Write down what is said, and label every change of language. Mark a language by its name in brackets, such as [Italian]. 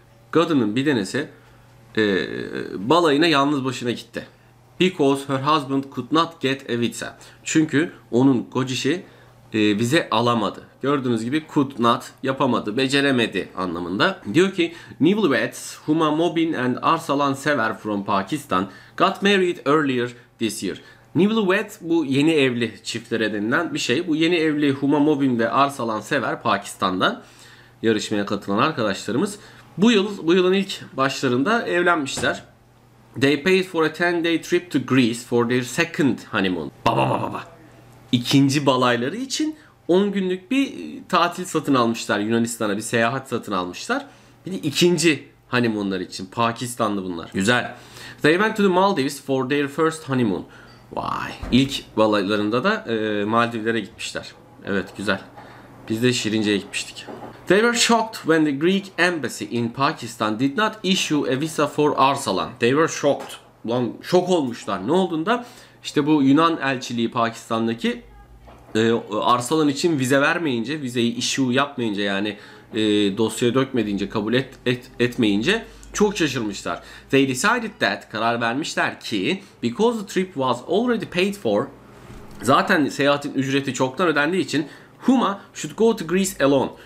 [Turkish] Kadının bir denesi bal ayına yalnız başına gitti. [English] Because her husband could not get a visa. [Turkish] Çünkü onun kocası vize alamadı. Gördüğünüz gibi could not, yapamadı, beceremedi anlamında. Diyor ki [English] newlyweds Huma Mobin and Arsalan Sever from Pakistan got married earlier this year. [Turkish] Newlywed bu yeni evli çiftlere denilen bir şey. Bu yeni evli Huma Mobin ve Arsalan Sever Pakistan'dan yarışmaya katılan arkadaşlarımız bu yılın ilk başlarında evlenmişler. [English] They paid for a 10 day trip to Greece for their second honeymoon. [Turkish] Baba. İkinci balayları için 10 günlük bir tatil satın almışlar Yunanistan'a, bir seyahat satın almışlar. Bir de ikinci honeymoonlar için. Pakistanlı bunlar. Güzel. [English] They went to the Maldives for their first honeymoon. [Turkish] Vay. İlk balaylarında da Maldivlere gitmişler. Evet, güzel. Biz de Şirince'ye gitmiştik. [English] They were shocked when the Greek embassy in Pakistan did not issue a visa for Arsalan. They were shocked. [Turkish] Ulan şok olmuşlar. Ne olduğunda? İşte bu Yunan elçiliği Pakistan'daki Arsalan için vize vermeyince, vizeyi issue yapmayınca, yani dosyaya dökmedince, kabul etmeyince çok şaşırmışlar. [English] They decided that, [Turkish] karar vermişler ki, [English] because the trip was already paid for, [Turkish] zaten seyahatin ücreti çoktan ödendiği için, [English] Huma should go to Greece alone.